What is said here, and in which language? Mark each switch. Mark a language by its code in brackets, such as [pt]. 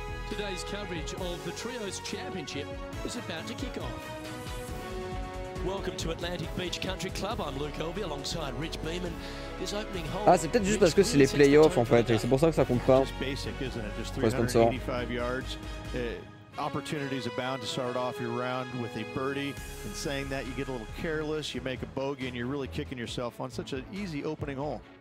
[en] Today's coverage of the Trios Championship is about to kick off. Welcome to Atlantic Beach Country Club. I'm Luke Elvey alongside Rich Beeman. This opening hole. [fr] Ah, c'est peut-être juste parce que c'est les playoffs en fait, et c'est pour ça que ça compte pas. [en] Just 385 yards. Opportunities abound to start off your round with a birdie. And saying that, you get a little careless, you make a bogey and you're really kicking yourself on such an easy opening hole.